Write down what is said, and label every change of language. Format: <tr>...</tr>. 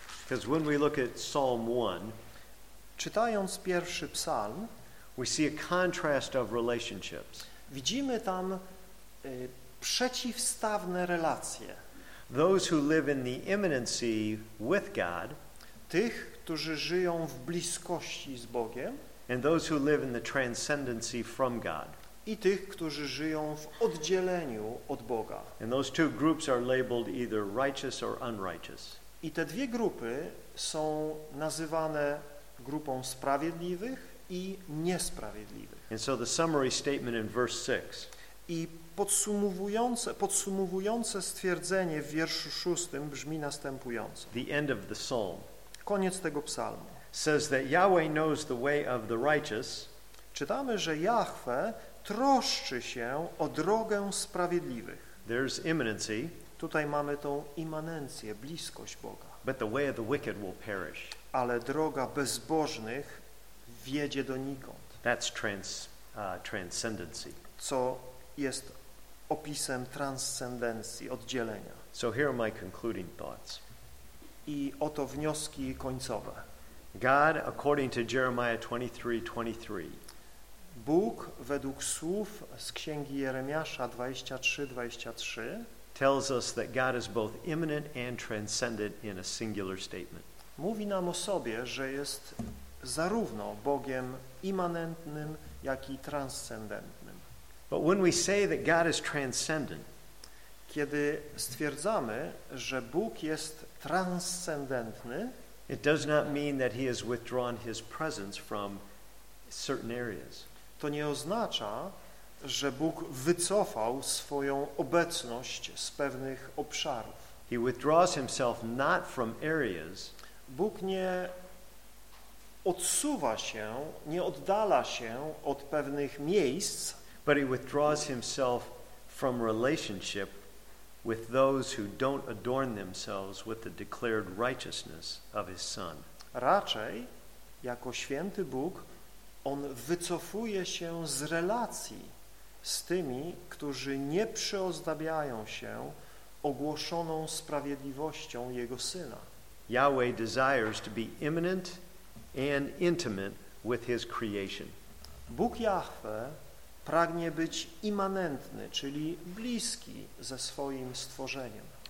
<en>Because when we look at Psalm 1,</en> <pl>czytając pierwszy psalm,</pl> <en>we see a contrast of relationships.</en> <pl>Widzimy tam przeciwstawne relacje.</pl> <en>Those who live in the immanency with God,</en> <pl>tych, którzy żyją w bliskości z Bogiem,</pl> <en>and those who live in the transcendency from God,</en> <pl>i tych, którzy żyją w oddzieleniu od Boga.</pl> <en>And those two groups are labeled either righteous or unrighteous.</en> <pl>I te dwie grupy są nazywane grupą sprawiedliwych i niesprawiedliwych.</pl> <en>And so the summary statement in verse 6.</en> <pl>I podsumowujące stwierdzenie w wierszu 6 brzmi następująco.</pl> <en>The end of the psalm.</en> <pl>Koniec tego psalmu.</pl> <en>Says that Yahweh knows the way of the righteous.</en> <pl>Czytamy, że Jahwe troszczy się o drogę sprawiedliwych.</pl> <en>There's immanency.</en> <pl>Tutaj mamy tą immanencję, bliskość Boga.</pl> <en>But the way of the wicked will perish.</en> <pl>Ale droga bezbożnych wiedzie donikąd.</pl> <en>That's transcendency.</en> <pl>Co jest opisem transcendencji, oddzielenia.</pl> <en>So here are my concluding thoughts.</en> <pl>I oto wnioski końcowe.</pl> <en>God, according to Jeremiah 23:23.</en> <pl>Bóg, według słów z Księgi Jeremiasza 23:23,</pl> <en>tells us that God is both immanent and transcendent in a singular statement.</en> <pl>Mówi nam o sobie, że jest zarówno Bogiem immanentnym, jak i transcendentnym.</pl> <en>But when we say that God is transcendent,</en> <pl>kiedy stwierdzamy, że Bóg jest transcendentny,</pl> <en>it does not mean that he has withdrawn his presence from certain areas.</en> <pl>To nie oznacza, że Bóg wycofał swoją obecność z pewnych obszarów.</pl> <en>He withdraws himself not from areas.</en> <pl>Bóg nie odsuwa się, nie oddala się od pewnych miejsc,</pl> <en>but he withdraws himself from relationship with those who don't adorn themselves with the declared righteousness of his son.</en> <pl>Raczej, jako święty Bóg, on wycofuje się z relacji z tymi, którzy nie przyozdabiają się ogłoszoną sprawiedliwością Jego Syna.</pl> <en>Yahweh desires to be imminent and intimate with his creation.</en> <pl>Bóg Jahwe pragnie być immanentny, czyli bliski ze swoim stworzeniem.</pl>